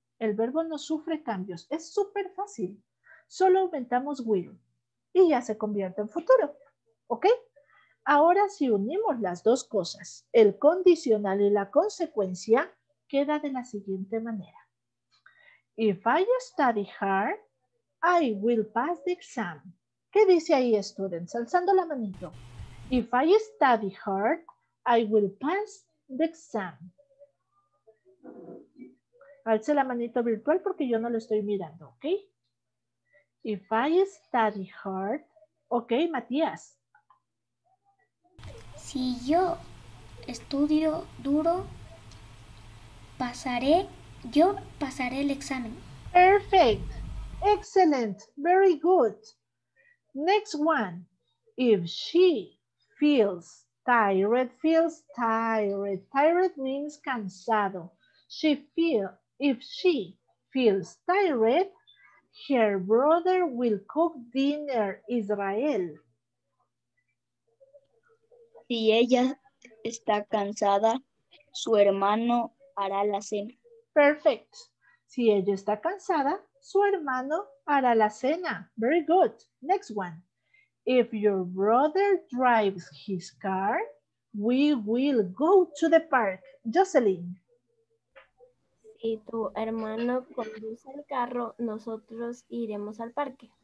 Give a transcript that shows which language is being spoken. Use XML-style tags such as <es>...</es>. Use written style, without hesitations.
<es>El verbo no sufre cambios. Es súper fácil. Solo aumentamos will y ya se convierte en futuro. ¿Ok? Ahora, si unimos las dos cosas, el condicional y la consecuencia, queda de la siguiente manera.</es> <en>If I study hard, I will pass the exam.</en> <es>¿Qué dice ahí,</es> <en>students?</en> <es>Alzando la manito.</es> <en>If I study hard, I will pass the exam.</en> <es>Alce la manito virtual porque yo no lo estoy mirando, ¿ok?</es> <en>If I study hard, ok, Matías.</en> <es>Si yo estudio duro, pasaré, yo pasaré el examen.</es> <en>Perfect. Excellent. Very good. Next one. If she feels tired, Tired means cansado. If she feels tired, her brother will cook dinner, Israel.</en> <es>Si ella está cansada, su hermano hará la cena.</es> <en>Perfect.</en> <es>Si ella está cansada, su hermano hará la cena.</es> <en>Very good. Next one. If your brother drives his car, we will go to the park. Jocelyn.</en> <es>Si tu hermano conduce el carro, nosotros iremos al parque.</es>